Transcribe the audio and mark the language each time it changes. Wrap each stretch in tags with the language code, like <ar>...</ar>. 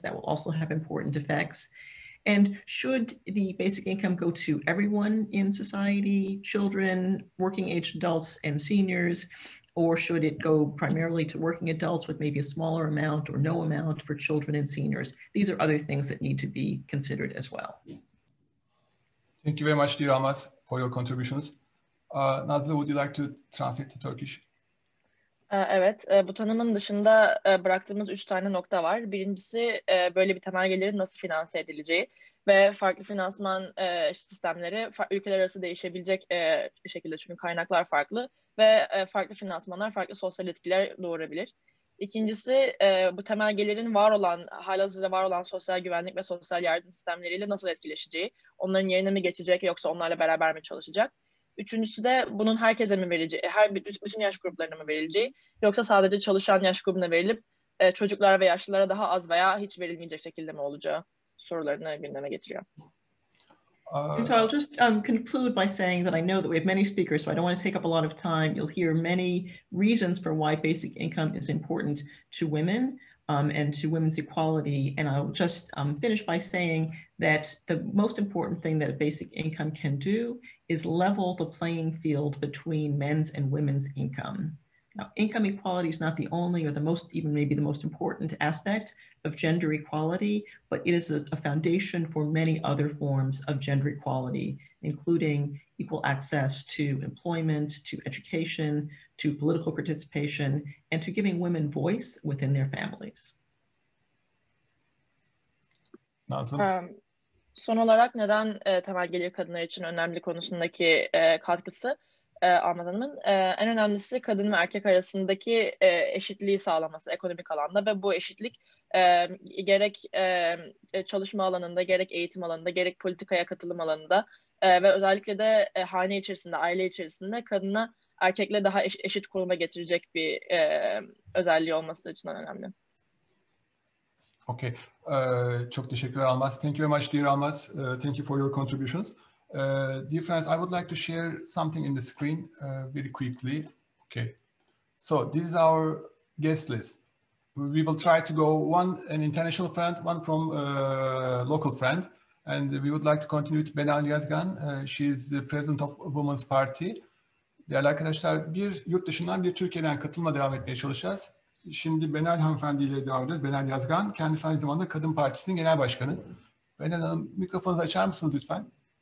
<en>That will also have important effects. And should the basic income go to everyone in society, children, working age adults, and seniors, or should it go primarily to working adults with maybe a smaller amount or no amount for children and seniors? These are other things that need to be considered as well. Thank you very much, dear Almaz, for your contributions. Nazlı, would you like to translate to Turkish?</en> <tr>Evet, bu tanımın dışında bıraktığımız üç tane nokta var. Birincisi, böyle bir temel gelirin nasıl finanse edileceği ve farklı finansman sistemleri ülkeler arası değişebilecek bir şekilde çünkü kaynaklar farklı ve farklı finansmanlar farklı sosyal etkiler doğurabilir. İkincisi, bu temel gelirin var olan, halihazırda var olan sosyal güvenlik ve sosyal yardım sistemleriyle nasıl etkileşeceği, onların yerine mi geçecek yoksa onlarla beraber mi çalışacak? Üçüncüsü de bunun herkese mi verileceği, bütün yaş gruplarına mı verileceği yoksa sadece çalışan yaş grubuna verilip çocuklar ve yaşlılara daha az veya hiç verilmeyecek şekilde mi olacağı sorularını gündeme getiriyor.</tr> <en>And so I'll just conclude by saying that I know that we have many speakers, so I don't want to take up a lot of time. You'll hear many reasons for why basic income is important to women. And to women's equality. And I'll just finish by saying that the most important thing that a basic income can do is level the playing field between men's and women's income. Now, income equality is not the only or the most, even maybe the most important aspect of gender equality, but it is a foundation for many other forms of gender equality, including equal access to employment, to education, to political participation, and to giving women voice within their families.</en> <tr>Son olarak neden temel gelir kadınlar için önemli konusundaki katkısı Almaz Hanım'ın? En önemlisi kadın ve erkek arasındaki eşitliği sağlaması ekonomik alanda ve bu eşitlik gerek çalışma alanında, gerek eğitim alanında, gerek politikaya katılım alanında ve özellikle de hane içerisinde, aile içerisinde kadına erkekle daha eşit konuma getirecek bir özelliği olması açısından önemli.</tr> <en>Okay.</en> <tr>Çok teşekkürler</tr> <en>Almaz. Thank you very much dear Almaz. Thank you for your contributions. Dear friends, I would like to share something in the screen very quickly. Okay. So this is our guest list. We will try to go one an international friend, one from a local friend. And we would like to continue with Benan Yazgan. She is the president of Women's Party.</en> <tr>Değerli arkadaşlar, bir yurt dışından bir Türkiye'den katılma devam etmeye çalışacağız. Şimdi Benel Hanımefendi ile devam edeceğiz. Benel Yazgan, kendisi aynı zamanda Kadın Partisi'nin genel başkanı. Benel Hanım, mikrofonunuzu açar mısınız lütfen?</tr>